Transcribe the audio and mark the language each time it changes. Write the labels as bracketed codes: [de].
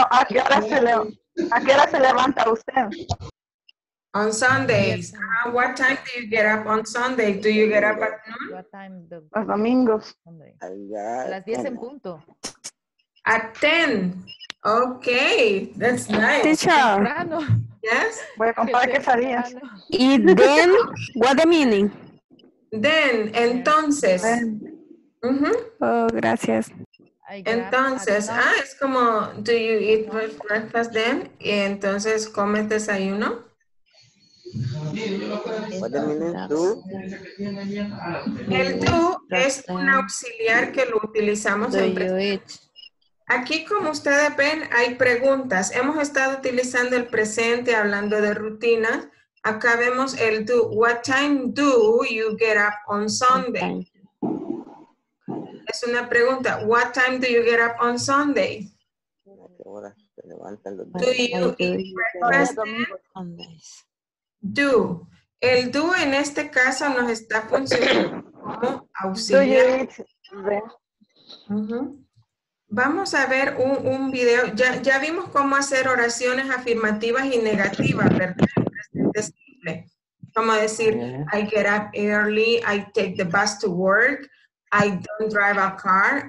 [es] ¿a qué hora se le, a qué hora se levanta usted? [en] On Sundays. What time do you get up on Sunday? Do you get up at noon? [es] Los domingos. Las 10 en punto. [en] At 10. Okay, that's nice. Teacher. Yes. [es] Voy a comprar quesadillas. [en] Y then, what the meaning? Then, [es] entonces. Uh-huh. Oh, gracias. Entonces, ah, es como, [en] do you eat breakfast then? [es] Y entonces, ¿comes desayuno? [en] What the meaning do? [es] El do es un auxiliar que lo utilizamos do en presente. Aquí, como ustedes ven, hay preguntas. Hemos estado utilizando el presente, hablando de rutinas. Acá vemos el do. [en] What time do you get up on Sunday? [es] Es una pregunta. [en] What time do you get up on Sunday? [es] ¿A qué hora se levantan los domingos? [en] Do you eat breakfast? Do. [es] El do en este caso nos está funcionando como auxiliar. Vamos a ver un video. Ya vimos cómo hacer oraciones afirmativas y negativas, ¿verdad? En presente simple. Como decir, [en] I get up early, I take the bus to work, I don't drive a car.